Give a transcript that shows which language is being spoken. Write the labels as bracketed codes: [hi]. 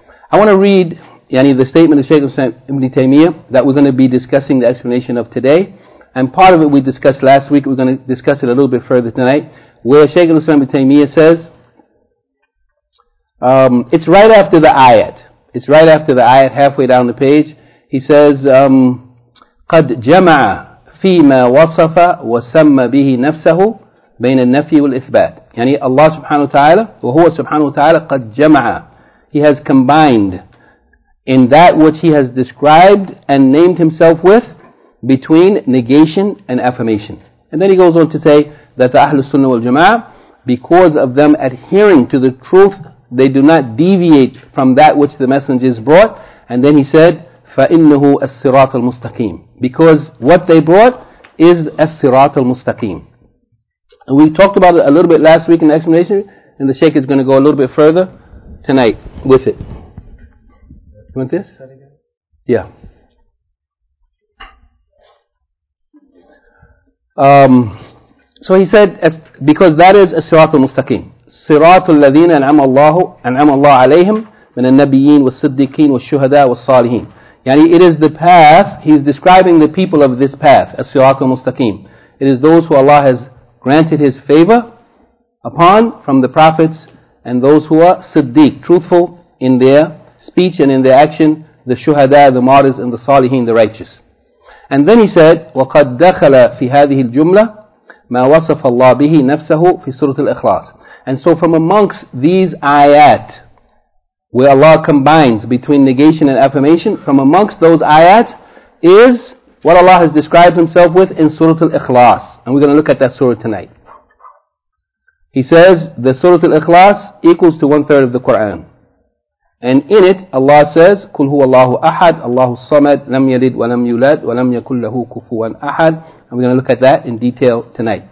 [en] I want to read yani the statement of Shaykh Ibn Taymiyyah that we're going to be discussing the explanation of today. And part of it we discussed last week, we're going to discuss it a little bit further tonight, where Shaykh Ibn Taymiyyah says, it's right after the ayat. It's right after the ayat, halfway down the page. He says, [ar] قَدْ جَمَعَ فِي مَا وَصَفَ وَسَمَّ بِهِ نَفْسَهُ بين النفي والإثبات. [en] يعني [ar] الله سبحانه وتعالى وهو سبحانه وتعالى قد جمع, [en] he has combined in that which he has described and named himself with between negation and affirmation. And then he goes on to say that the Ahlul Sunnah wal Jama'ah, because of them adhering to the truth, they do not deviate from that which the messengers brought. And then he said, [ar] فَإِنَّهُ السِّرَاطُ الْمُسْتَقِيمُ, [en] because what they brought is [ar] السِّرَاطُ الْمُسْتَقِيمُ. [en] We talked about it a little bit last week in the explanation, and the Shaykh is going to go a little bit further tonight with it. You want this? Yeah. So he said, because that is [ar] السِّرَاطُ الْمُسْتَقِيمُ. صراط الذين أنعم الله عليهم من النبيين والصديقين والشهداء والصالحين. [en] يعني it is the path, he is describing the people of this path, [ar] الصراط المستقيم. [en] It is those who Allah has granted his favor upon from the prophets, and those who are صديق, truthful in their speech and in their action, the شهداء, the martyrs, and the صالحين, the righteous. And then he said, [ar] وقد دخل في هذه الجملة ما وصف الله به نفسه في سورة الإخلاص. [en] And so from amongst these ayat, where Allah combines between negation and affirmation, from amongst those ayat is what Allah has described himself with in Surah Al-Ikhlas. And we're going to look at that surah tonight. He says, the Surah Al-Ikhlas equals to 1/3 of the Qur'an. And in it, Allah says, [ar] قُلْ هُوَ اللَّهُ أَحَدْ اللَّهُ الصَّمَدْ لَمْ يَلِدْ وَلَمْ يُولَدْ وَلَمْ يَكُلْ لَهُ كُفُوًا أَحَدْ. [en] And we're going to look at that in detail tonight.